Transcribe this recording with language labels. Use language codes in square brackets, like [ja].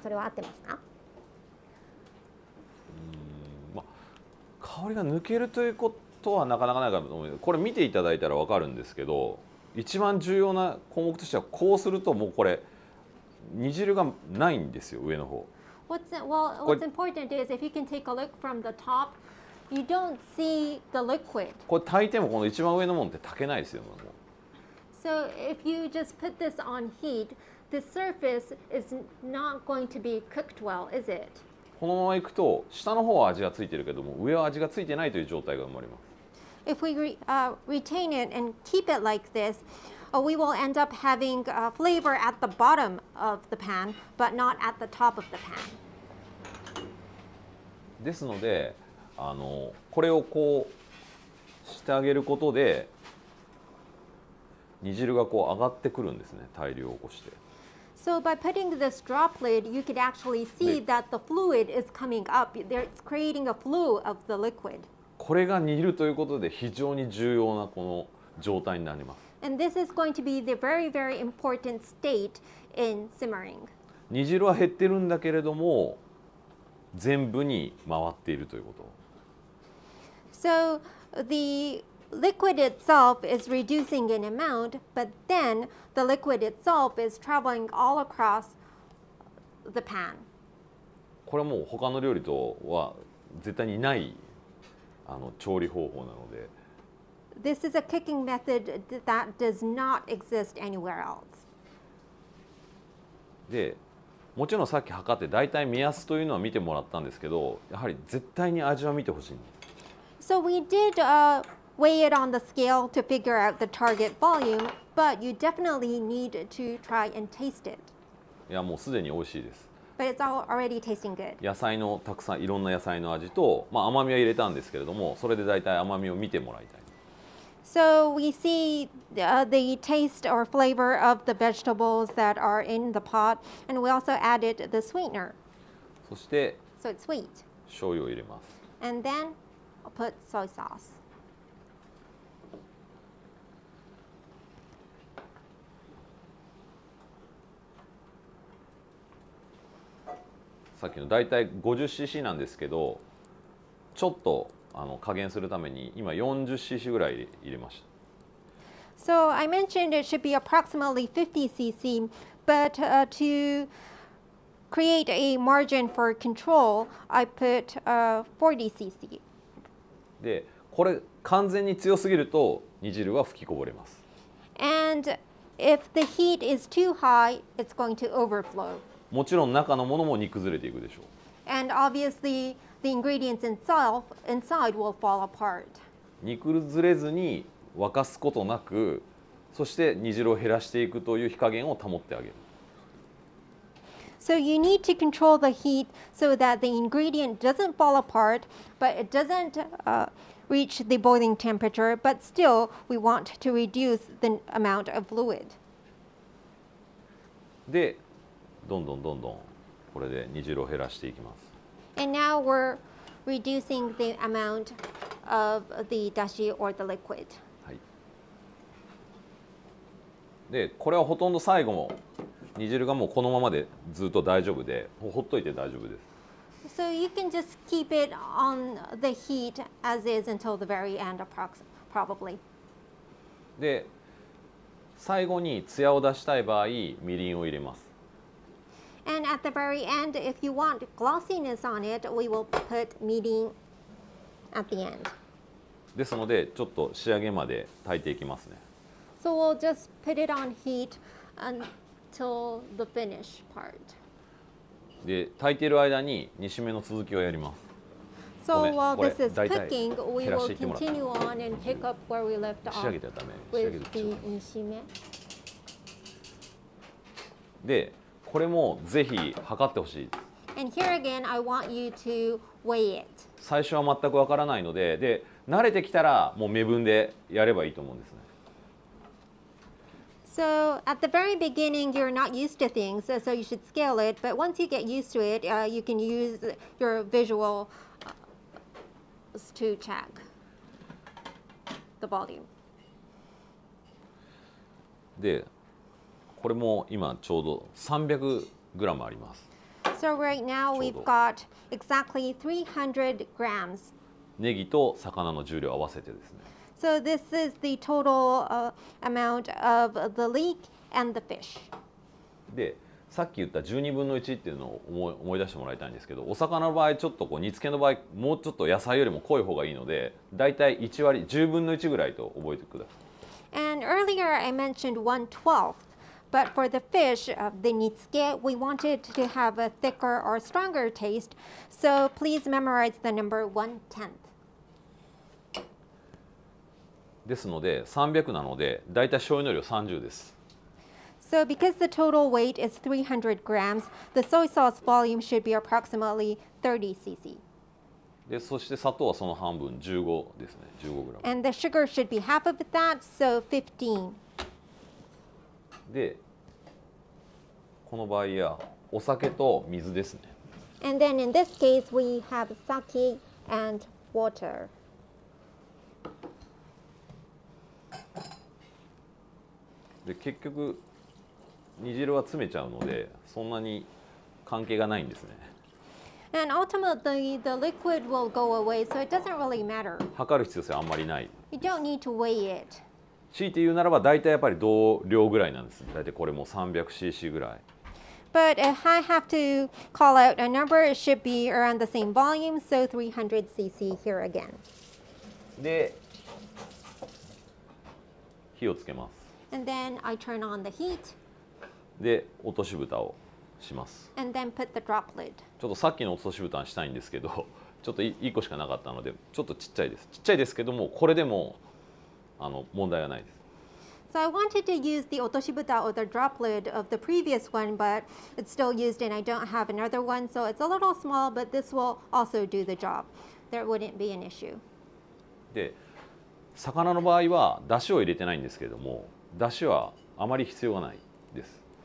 [ja] それは合ってますか？香りが抜けるということはなかなかないかと思います。これ見ていただいたら分かるんですけど、一番重要な項目としてはこうするともうこれ煮汁がないんですよ、上の方。 [en] What's important is if you can take a look from the top, you don't see the liquid. [ja] これ炊いてもこの一番上のものって炊けないですよ、もう。 [en] So if you just put this on heat, the surface is not going to be cooked well, is it? [ja] このままいくと下の方は味がついてるけども上は味がついてないという状態が生まれます。 [en] If we retain it and keep it like this,we will end up having flavor at the bottom of the pan, but not at the top of the pan. [ja] ですので、あのこれをこうしてあげることで煮汁がこう上がってくるんですね、対流を起こして。 [en] So by putting this droplet, you could actually see that the fluid is coming up. It's creating a flow of the liquid. [ja] これが煮るということで非常に重要なこの状態になります。 [en] And this is going to be the very, very important state in simmering. [ja] 煮汁は減ってるんだけれども、全部に回っているということ。 [en] So the liquid itself is reducing in amount, but then the liquid itself is traveling all across the pan. [ja] これはもう他の料理とは絶対にない調理方法なので。 [en] This is a cooking method that does not exist anywhere else. [ja] で、もちろんさっき測って大体目安というのは見てもらったんですけど、やはり絶対に味は見てほしい。 [en] So we did weigh it on the scale to figure out the target volume, but you definitely need to try and taste it. [ja] いや、もうすでに美味しいです。 [en] But it's already tasting good. [ja] 野菜のたくさんいろんな野菜の味と、まあ甘みは入れたんですけれども、それで大体甘みを見てもらいたい。 [en] So we see the taste or flavor of the vegetables that are in the pot, and we also added the sweetener. [ja] そして、 [en] so it's sweet. [ja] 醤油を入れます。 [en] And then I'll put soy sauce. [ja] さっきのだいたい 50cc なんですけど、ちょっと。加減するために今 40cc ぐらい入れました。 [en] So I mentioned it should be approximately 50cc, but to create a margin for control, I put 40cc. [ja] で、これ完全に強すぎると煮汁は吹きこぼれます。 [en] And if the heat is too high, it's going to overflow. [ja] もちろん中のものも煮崩れていくでしょう。 [en] And obviously,The ingredients inside will fall apart. [ja] 煮崩れずに沸かすことなく、そして煮汁を減らしていくという火加減を保ってあげる。 [en] So you need to control the heat so that the ingredient doesn't fall apart, but it doesn't reach the boiling temperature. But still, we want to reduce the amount of fluid. [ja] で、どんどんどんどんこれで煮汁を減らしていきます。 [en] And now we're reducing the amount of the dashi or the liquid. [ja] はい。で、これはほとんど最後も煮汁がもうこのままでずっと大丈夫で、ほっといて大丈夫です。 [en] So you can just keep it on the heat as is until the very end, probably. [ja] で、最後に艶を出したい場合、みりんを入れます。 [en] And at the very end, if you want glossiness on it, we will put mirin at the end. [ja] ですので、ちょっと仕上げまで炊いていきますね。 [en] So we'll just put it on heat until the finish part. [ja] で、炊いている間に煮しめの続きをやります。 [en] So while this is cooking, we will continue on and pick up where we left off. [ja] 仕上げてはダメ。仕上げてはダメ。煮しめ。で、これもぜひ測ってほしい。 [en] And here again, I want you to weigh it. [ja] 最初は全くわからないので、で慣れてきたらもう目分でやればいいと思うんですね。 [en] So at the very beginning, you're not used to things, so you should scale it. But once you get used to it, you can use your visuals to check the volume. [ja] で、これも今ちょうど300グラムあります。 [en] So right now we've got exactly 300 grams. [ja] ネギと魚の重量合わせてですね。 [en] So this is the total amount of the leek and the fish. [ja] で、さっき言った12分の1っていうのを思い出してもらいたいんですけど、お魚の場合ちょっとこう煮付けの場合もうちょっと野菜よりも濃い方がいいので、だいたい1割、10分の1ぐらいと覚えてください。 [en] And earlier I mentioned 1/12th. But for the fish, the nitsuke, we want it to have a thicker or stronger taste. So please memorize the number 1/10. [ja] ですので、300なので、だいたい醤油の量30です。 [en] So because the total weight is 300 grams, the soy sauce volume should be approximately 30 cc. [ja] で、そして砂糖はその半分、15ですね、15グラム。 [en] And the sugar should be half of that, so 15. [ja] で、この場合はお酒と水ですね。 [en] And then in this case we have sake and water. [ja] で、結局煮汁は詰めちゃうので、そんなに関係がないんですね。 [en] And ultimately the liquid will go away, so it doesn't really matter. [ja] 測る必要性はあんまりない。 [en] You don't need to weigh it. [ja] 強いて言うならば、だいたいやっぱり同量ぐらいなんです。だいたいこれも 300cc ぐらい。 [en] But if I have to call out a number, it should be around the same volume, so 300cc here again. [ja] で、火をつけます。 [en] And then I turn on the heat. [ja] で、落とし蓋をします。 [en] And then put the drop lid. [ja] ちょっとさっきの落とし蓋にしたいんですけど、ちょっと1個しかなかったので、ちょっとちっちゃいです。ちっちゃいですけども、これでも、問題はないです。 [en] So I wanted to use the 落とし蓋 or the drop lid of the previous one, but it's still used and I don't have another one, so it's a little small, but this will also do the job. There wouldn't be an issue. [ja] で、魚の場合は出汁を入れてないんですけれども、出汁はあまり必要がないです。